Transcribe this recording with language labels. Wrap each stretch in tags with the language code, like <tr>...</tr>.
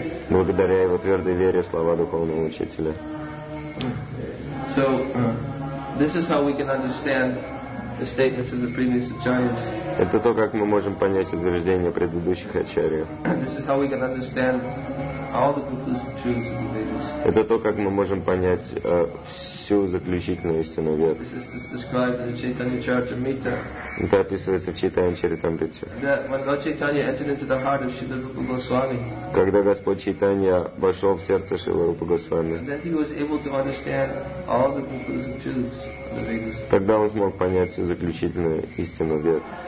<ru>Благодаря его твердой вере в слова духовного учителя.</ru> <en>So, this is how we can understand the statements of the previous acharyas.</en> <ru>Это то, как мы можем понять утверждения предыдущих ачарьев.</ru> <en>This is how we can understand all the conclusive truths of the Vedas.</en> <ru>Это то, как мы можем понять всю заключительную истину Вед.</ru> <en>This is described in the Chaitanya Charitamrita.</en> <ru>Это описывается в Чайтанья Чаритамрите.</ru> <en>That when Lord Chaitanya entered into the heart of Srila Rupa Goswami.</en> <ru>Когда Господь Чайтанья вошел в сердце Шрилы Рупы Госвами.</ru> <en>That he was able to understand all the conclusive truths.</en> <ru>Тогда он смог понять всю заключительную истину Вед.</ru>